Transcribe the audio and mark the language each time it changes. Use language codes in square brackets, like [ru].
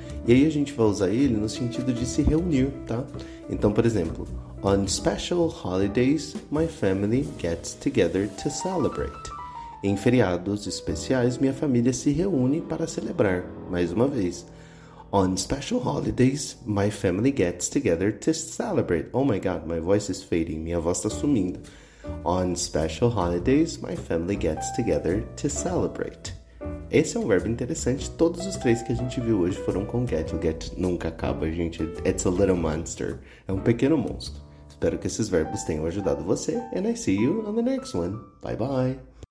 [pt] E aí a gente vai usar ele no sentido de se reunir, tá? Então, por exemplo, [en] on special holidays, my family gets together to celebrate. [pt] Em feriados especiais, minha família se reúne para celebrar. Mais uma vez. [en] On special holidays, my family gets together to celebrate. Oh my God, my voice is fading. [pt] Minha voz está sumindo. [en] On special holidays, my family gets together to celebrate. [pt] Esse é um verbo interessante. Todos os três que a gente viu hoje foram com get. O get nunca acaba, gente. [en] It's a little monster. [pt] É um pequeno monstro. Espero que esses verbos tenham ajudado você. [en] And I see you on the next one. Bye bye.